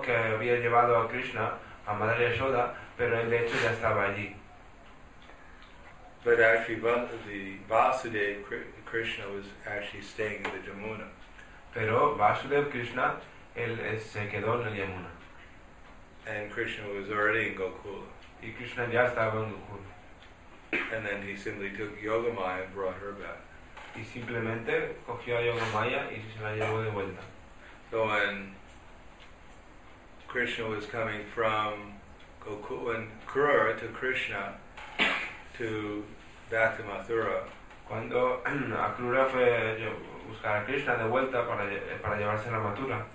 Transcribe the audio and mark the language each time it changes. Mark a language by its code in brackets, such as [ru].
[es] que había llevado a Krishna a Madre Yashoda, pero él de hecho ya estaba allí. [en] But actually, the Vasudeva Krishna was actually staying in the Yamuna. [es] Pero Vasudeva Krishna, él se quedó en el Yamuna. [en] And Krishna was already in Gokula. [es] Y Krishna ya estaba en Gokula. [en] And then he simply took Yogamaya and brought her back. [es] Y simplemente cogió a Yogamaya y se la llevó de vuelta. [en] So when Krishna was coming from Gokula, when Krura to Krishna to back to Mathura. [es] Cuando Akrura fue a buscar a Krishna de vuelta para llevarse a Mathura.